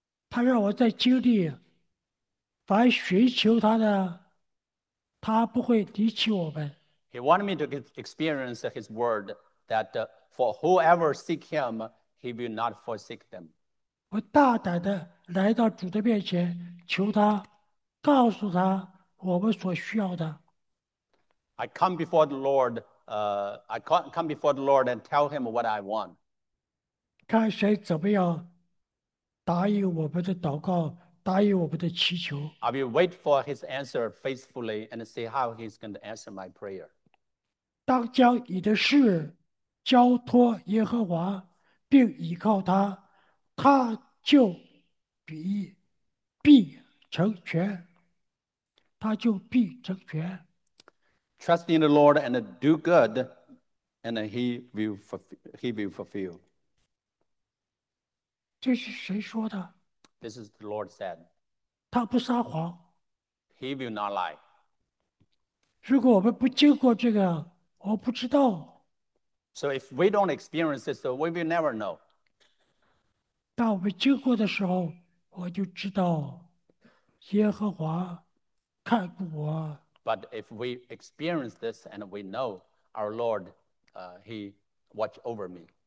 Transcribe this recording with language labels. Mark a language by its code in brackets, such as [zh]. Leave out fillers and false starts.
[zh] 他让我在经历，凡寻求他的，他不会离弃我们。 [en] He wanted me to experience his word that for whoever seek him, he will not forsake them. [zh] 我大胆的来到主的面前，求他告诉他我们所需要的。 [en] I come before the Lord, I come before the Lord and tell him what I want. [zh] 看谁怎么样。答应我们的祷告，答应我们的祈求。 [en] I will wait for his answer faithfully and see how he's going to answer my prayer. [zh] 当将你的事交托耶和华，并倚靠他，他就必成全。他就必成全。 [en] Trust in the Lord and do good, and he will fulfill. [zh] 这是谁说的？ [en] This is the Lord said. [zh] 他不撒谎。 [en] He will not lie. [zh] 如果我们不经过这个，我不知道。 [en] So if we don't experience this, we will never know. [zh] 当我们经过的时候，我就知道耶和华看顾我。 [en] But if we experience this and we know our Lord, He watch over me.